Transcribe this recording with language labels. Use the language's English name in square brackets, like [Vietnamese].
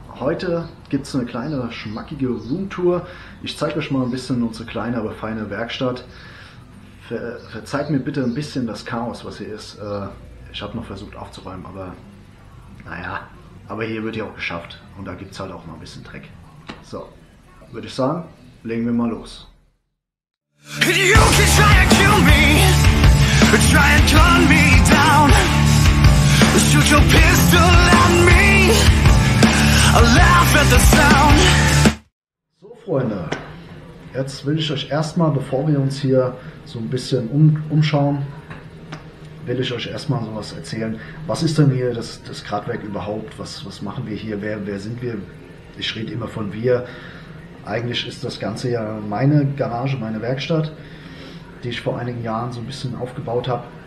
[German] Heute gibt es eine kleine, schmackige Roomtour. Ich zeige euch mal ein bisschen unsere kleine, aber feine Werkstatt. Verzeiht mir bitte ein bisschen das Chaos, was hier ist. Ich habe noch versucht aufzuräumen, aber naja. Aber hier wird ja auch geschafft und da gibt es halt auch mal ein bisschen Dreck. So, würde ich sagen, legen wir mal los. [English] You can try and kill me, try and calm me down. Shoot your pistol at me, I'll laugh at the sound. [German] So, Freunde, jetzt will ich euch erstmal, bevor wir uns hier so ein bisschen umschauen, will ich euch erstmal sowas erzählen. Was ist denn hier das Gradwerk überhaupt? Was machen wir hier? Wer sind wir? Ich rede immer von wir. Eigentlich ist das Ganze ja meine Garage, meine Werkstatt, die ich vor einigen Jahren so ein bisschen aufgebaut habe.